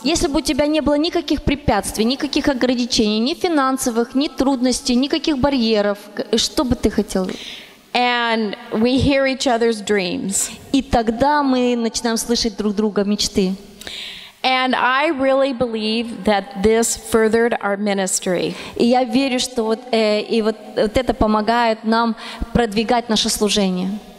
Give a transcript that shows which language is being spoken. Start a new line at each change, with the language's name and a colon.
Russian: Если бы у тебя не было никаких препятствий, никаких ограничений, ни финансовых, ни трудностей, никаких барьеров, что бы ты хотел?
English: And we hear each other's dreams.
Russian: И тогда мы начинаем слышать друг друга мечты.
English: And I really believe that this furthered our ministry.
Russian: И я верю, что вот и вот вот это помогает нам продвигать наше служение.